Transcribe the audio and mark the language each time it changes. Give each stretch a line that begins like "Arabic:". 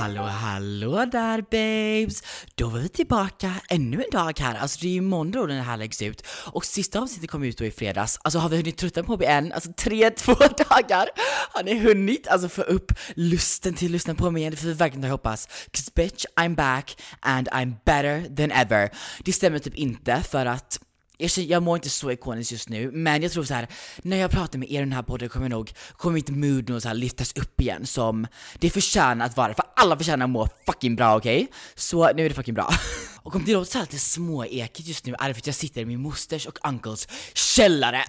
Swedish: Hallå där babes, då var vi tillbaka ännu en dag här. Alltså det är ju måndag när det här läggs ut. Och sista avsnittet kom ut då i fredags. Alltså har vi hunnit trötta på mig än? Alltså 3-2 dagar har ni hunnit alltså få upp lusten till att lyssna på mig igen. Det får vi verkligen hoppas.
English: 'Cause bitch, I'm back and I'm better than ever.
Swedish: Det stämmer typ inte, för att jag mår inte så ikoniskt just nu. Men jag tror så här, när jag pratar med er i den här podden kommer mitt mood nog så här lyftas upp igen, som det förtjänar att vara. För alla förtjänar att må fucking bra, okej? Så nu är det fucking bra. Och om det låter så här lite småekigt just nu, är det för att jag sitter i min mosters och uncles källare.